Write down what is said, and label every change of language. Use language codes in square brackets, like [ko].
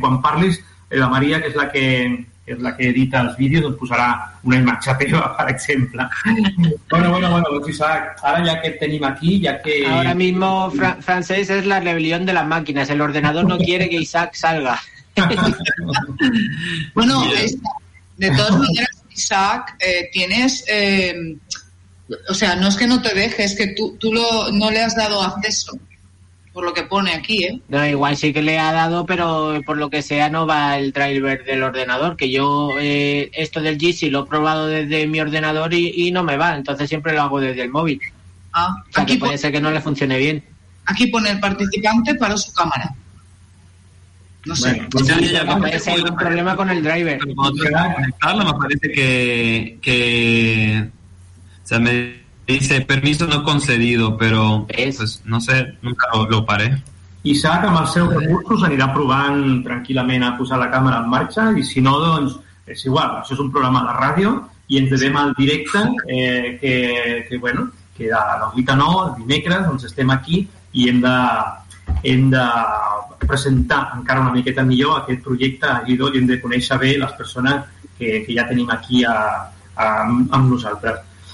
[ca] Quan parlis, la Maria, que és la que edita els vídeos, et posarà una imatge teva, per exemple. Bueno, doncs Isaac, ara ja que tenim aquí, ja que... [es] Ahora mismo, francés es la rebelión de las máquinas. El ordenador no quiere que Isaac salga. Bueno, de todas maneras, Isaac, tienes... o sea, no es que no te deje, es que tú no le has dado acceso, por lo que pone aquí, ¿eh? No, igual sí que le ha dado, pero por lo que sea no va el driver del ordenador, que yo esto del GC lo he probado desde mi ordenador y no me va, entonces siempre lo hago desde el móvil. Ah, o sea, aquí que puede ser que no le funcione bien. Aquí pone el participante para su cámara. No sé, bueno, pues ya me parece un problema con el driver. Conectarlo, me parece que o sea, me dice permiso no concedido, pero pues, no sé, nunca lo paré. [ca] Isaac, amb els seus recursos, anirà provant tranquil·lament a posar la càmera en marxa, i si no, doncs és igual, això és un programa a la ràdio i ens vedem al directe, que bueno, que a les 8 a 9, el dimecres, doncs estem aquí i hem de presentar encara una miqueta millor aquest projecte a Guido, i hem de conèixer bé les persones que ja tenim aquí amb nosaltres.